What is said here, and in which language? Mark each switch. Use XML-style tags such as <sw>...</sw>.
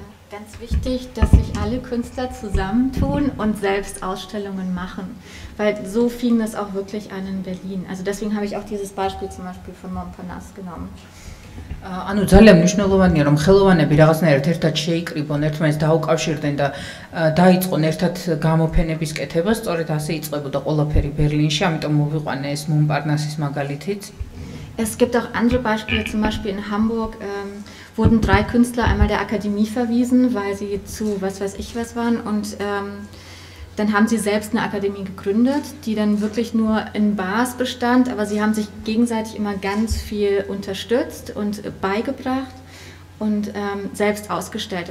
<de>Ganz wichtig, dass sich alle Künstler zusammentun und selbst Ausstellungen machen, weil so fing das auch wirklich an in Berlin. Also deswegen habe ich auch dieses Beispiel zum Beispiel von Montparnasse genommen.</de> <ka>Ანუ ძალიან მნიშვნელოვანია, რომ ხელოვანები რაღაცნაირად ერთად შეიკრიბონ, ერთმანეთს დაუკავშირდნენ და დაიწყონ ერთად გამოფენების კეთება. სწორედ ასე იწყებოდა ყველაფერი ბერლინში, ამიტომ მოვიყვანე ეს მონპარნასის მაგალითიც.</ka> <de>Es gibt auch andere Beispiele, zum Beispiel in Hamburg, wurden drei Künstler einmal der Akademie verwiesen, weil sie zu was weiß ich was waren. Und dann haben sie selbst eine Akademie gegründet, die dann wirklich nur in Bars bestand. Aber sie haben sich gegenseitig immer ganz viel unterstützt und beigebracht und selbst ausgestellt.</de>